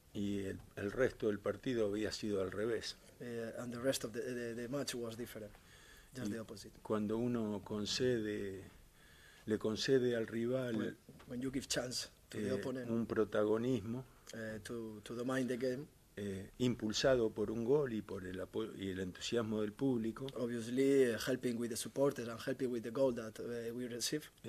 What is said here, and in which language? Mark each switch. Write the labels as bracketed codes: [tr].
[es] Y el resto del partido había sido al revés. [en] And the rest of the match was different. Just the opposite. [es] Cuando uno le concede al rival [en] when you give chance to the opponent, [es] un protagonismo [en] to domine the game, [es] impulsado por un gol y por el apoyo y el entusiasmo del público, [en] obviously helping with the supporters and helping with the goal that we receive,